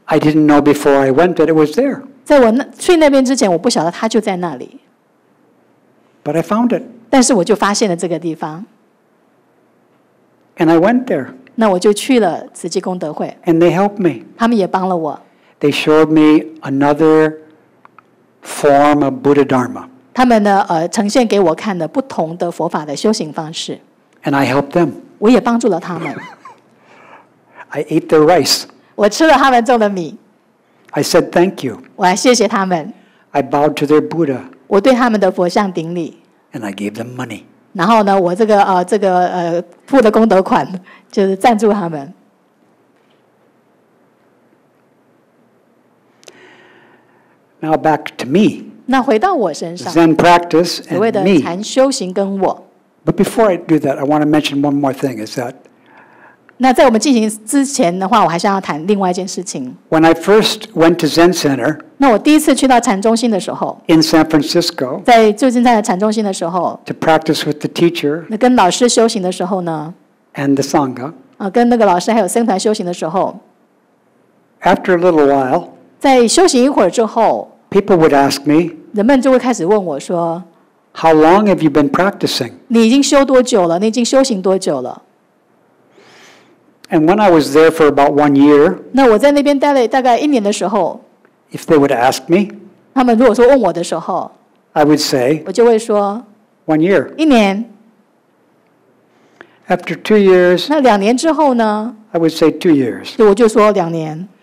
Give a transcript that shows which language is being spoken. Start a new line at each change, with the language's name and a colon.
English: I didn't know before I went that it was there.
Chinese: 在我去那边之前，我不晓得他就在那里。
English: But I found it.
Chinese: 但是我就发现了这个地方。
English: And I went there.
Chinese: 那我就去了慈济功德会。
English: And they helped me.
Chinese: 他们也帮了我。
English: They showed me another form of Buddha Dharma.
Chinese: 他们呢，呈现给我看的不同的佛法的修行方式。
English: And I helped them.
Chinese: 我也帮助了他们。
English: I ate their rice.
Chinese: 我吃了他们种的米。
English: I said thank you.
Chinese: 我来谢谢他们。
English: I bowed to their Buddha.
Chinese: 我对他们的佛像顶礼。
English: And I gave them money.
Chinese: 然后呢，我这个付的功德款就是赞助他们。
English: Now back to me.
Chinese: 那回到我身上。
English: Zen practice and me.
Chinese: 所谓的禅修行跟我。
English: But before I do that, I want to mention one more thing. Is that?
Chinese: 那在我们进行之前的话，我还想要谈另外一件事情。
English: When I first went to Zen Center，
Chinese: 那我第一次去到禅中心的时候
English: ，in San Francisco，
Chinese: 在旧金山的禅中心的时候
English: ，to practice with the teacher，
Chinese: 那跟老师修行的时候呢
English: ，and the sangha，
Chinese: 啊，跟那个老师还有僧团修行的时候
English: ，after a little while，
Chinese: 在休息一会儿之后
English: ，people would ask me，
Chinese: 人们就会开始问我说
English: How long have you been practicing?
Chinese: 你已经修多久了？你已经修行多久了？
English: And when I was there for about 1 year,
Chinese: 那我在那边待了大概一年的时候，
English: if they would ask me,
Chinese: 他们如果说问我的时候，
English: I would say,
Chinese: 我就会说，
English: 1 year,
Chinese: 一年。
English: After 2 years,
Chinese: 那两年之后呢？
English: I would say 2 years,
Chinese: 就我就说两年。